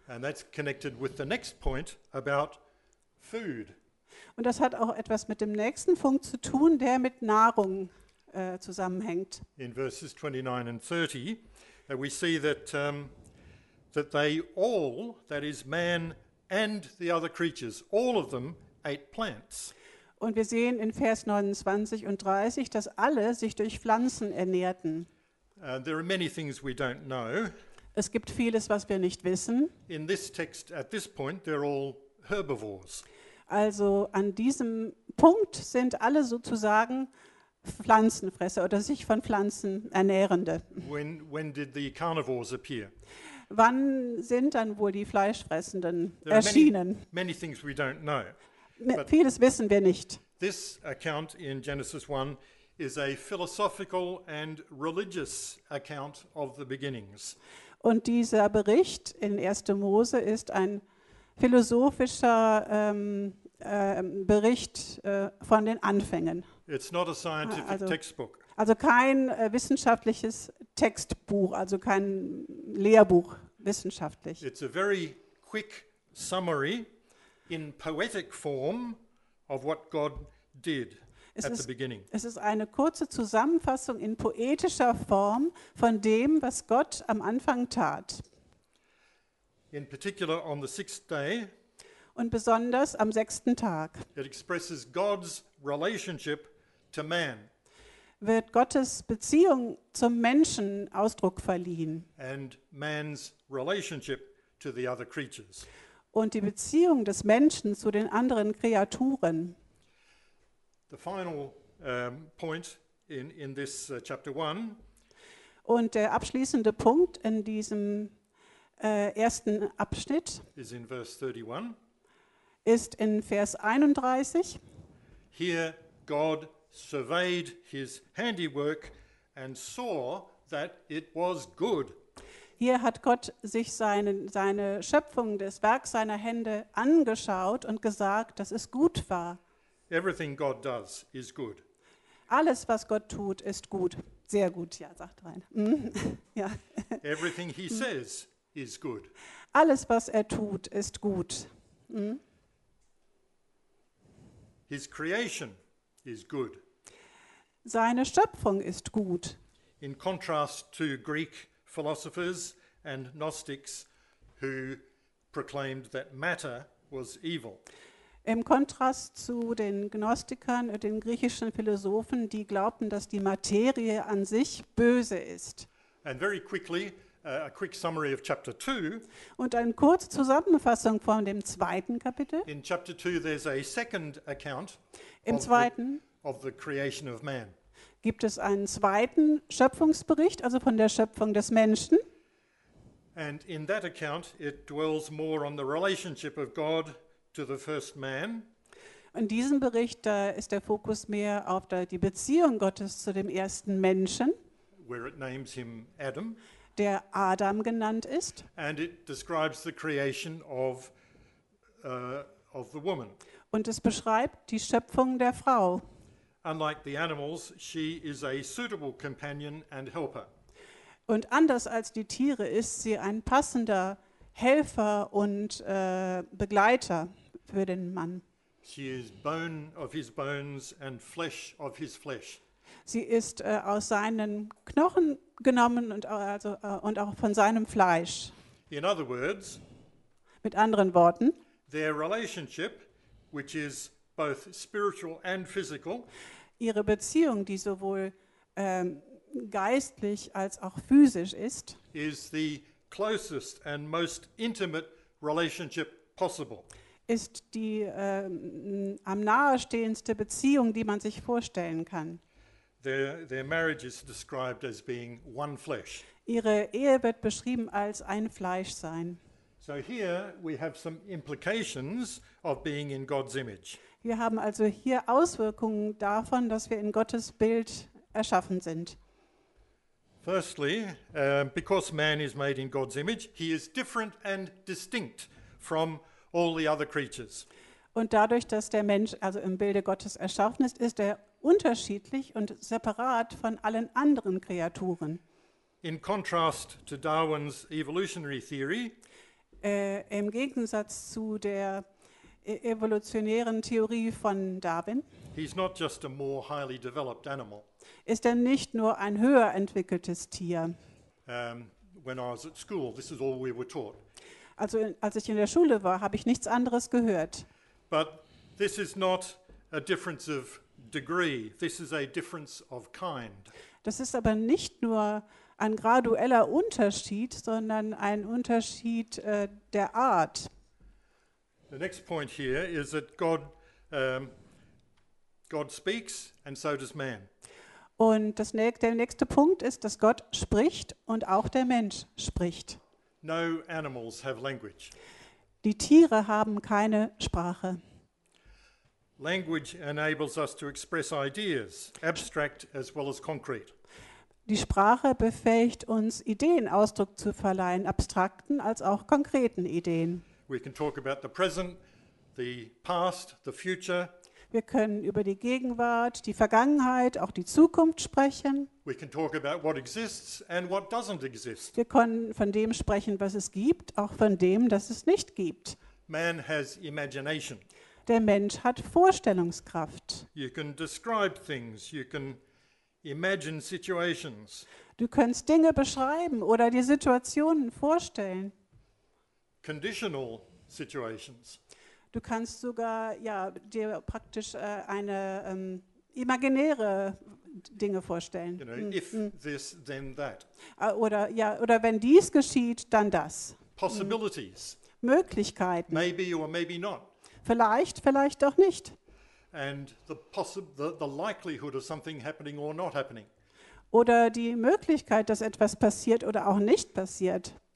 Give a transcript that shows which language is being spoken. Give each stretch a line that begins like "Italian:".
English: And that's connected with the next point about food.
German: Und das hat auch etwas mit dem nächsten Punkt zu tun, der mit Nahrung zusammenhängt.
English: In verses 29 and 30, we see that that they all, that is man and the other creatures, all of them ate plants.
German: Und wir sehen in Vers 29 und 30, dass alle sich durch Pflanzen ernährten.
English: There are many things we don't know.
German: Es gibt vieles, was wir nicht wissen.
English: In this text, at this point, they're all herbivores.
German: Also an diesem Punkt sind alle sozusagen Pflanzenfresser oder sich von Pflanzen ernährende.
English: When did the carnivores appear?
German: Wann sind dann wohl die Fleischfressenden erschienen?
English: Many things we don't know.
German: Vieles wissen wir nicht.
English: This account in Genesis 1 is a philosophical and religious account of the beginnings.
German: Und dieser Bericht in 1. Mose ist ein philosophischer Bericht von den Anfängen.
English: It's not a scientific textbook.
German: Also kein wissenschaftliches Textbuch, also kein Lehrbuch wissenschaftlich.
English: It's a very quick summary in poetic form of what God did at the beginning.
German: Es ist eine kurze Zusammenfassung in poetischer Form von dem, was Gott am Anfang tat.
English: In particular on the sixth day.
German: Und besonders am sechsten Tag.
English: It expresses God's relationship to man.
German: Wird Gottes Beziehung zum Menschen Ausdruck verliehen.
English: And man's relationship to the other creatures.
German: Und die Beziehung des Menschen zu den anderen Kreaturen.
English: The final point in this chapter 1.
German: Und der abschließende Punkt in diesem ersten Abschnitt
English: is in verse 31.
German: Ist in Vers 31.
English: Here God surveyed his handiwork and saw that it was good.
German: Hier hat Gott sich seine Schöpfung, das Werk seiner Hände angeschaut und gesagt, dass es gut war.
English: Everything God does is good.
German: Alles, was Gott tut, ist gut. Sehr gut, ja, sagt Rein. Ja.
English: Everything he says is good.
German: Alles, was er tut, ist gut.
English: His creation is good.
German: Seine Schöpfung ist gut.
English: In contrast to Greek philosophers and Gnostics who proclaimed that matter was evil.
German: Im Kontrast zu den Gnostikern und den griechischen Philosophen, die glaubten, dass die Materie an sich böse ist.
English: And very quickly, a quick summary of chapter 2.
German: Und eine kurze Zusammenfassung von dem zweiten Kapitel.
English: In chapter 2 there's a second account
German: im zweiten
English: of the creation of man.
German: Gibt es einen zweiten Schöpfungsbericht, also von der Schöpfung des Menschen?
English: And in that account it dwells more on the relationship of God to the first man.
German: In diesem Bericht da ist der Fokus mehr auf die Beziehung Gottes zu dem ersten Menschen,
English: where it names him Adam,
German: der Adam genannt ist.
English: And it describes the creation of the woman.
German: Und es beschreibt die Schöpfung der Frau.
English: Unlike the animals, she is a suitable companion and helper.
German: Und anders als die Tiere ist sie ein passender Helfer und Begleiter für den Mann.
English: She is bone of his bones and flesh of his flesh.
German: Sie ist aus seinen Knochen genommen und und auch von seinem Fleisch.
English: In other words,
German: mit anderen Worten,
English: their relationship, which is both spiritual and physical,
German: ihre Beziehung, die sowohl geistlich als auch physisch ist,
English: is the closest and most intimate relationship possible.
German: Ist die am nahestehendste Beziehung, die man sich vorstellen kann.
English: Their marriage is described as being one flesh.
German: Ihre Ehe wird beschrieben als ein Fleisch sein.
English: So here we have some implications of being in God's image.
German: Wir haben also hier Auswirkungen davon, dass wir in Gottes Bild erschaffen sind.
English: Firstly, because man is made in God's image, he is different and distinct from all the other creatures.
German: Und dadurch, dass der Mensch also im Bilde Gottes erschaffen ist, ist er unterschiedlich und separat von allen anderen Kreaturen.
English: In contrast to Darwin's evolutionary theory,
German: im Gegensatz zu der evolutionären Theorie von Darwin,
English: he's not just a more highly developed animal.
German: Ist er nicht nur ein höher entwickeltes Tier.
English: When I was at school, this is all we were taught.
German: Also als ich in der Schule war, habe ich nichts anderes gehört.
English: But this is not a difference of degree. This is a difference of kind.
German: Das ist aber nicht nur ein gradueller Unterschied, sondern ein Unterschied der Art.
English: The next point here is that God speaks and so does man.
German: Und der nächste Punkt ist, dass Gott spricht und auch der Mensch spricht.
English: No animals have language.
German: Die Tiere haben keine Sprache.
English: Language enables us to express ideas, abstract as well as concrete.
German: Die Sprache befähigt uns, Ideen Ausdruck zu verleihen, abstrakten als auch konkreten Ideen.
English: We can talk about the present, the past, the future.
German: Wir können über die Gegenwart, die Vergangenheit, auch die Zukunft sprechen.
English: We can talk about what exists and what doesn't exist.
German: Wir können von dem sprechen, was es gibt, auch von dem, das es nicht gibt.
English: Man has imagination.
German: Der Mensch hat Vorstellungskraft.
English: You can describe things, you can imagine situations.
German: Du kannst Dinge beschreiben oder dir Situationen vorstellen.
English: Conditional situations.
German: Du kannst sogar dir praktisch eine imaginäre Dinge vorstellen.
English: You know, if this, then that.
German: Oder wenn dies geschieht, dann das.
English: Possibilities.
German: Möglichkeiten.
English: Maybe or maybe not.
German: Vielleicht, vielleicht auch nicht.
English: And the likelihood of something happening or not happening.
German: Oder die Möglichkeit, dass etwas passiert oder auch nicht passiert.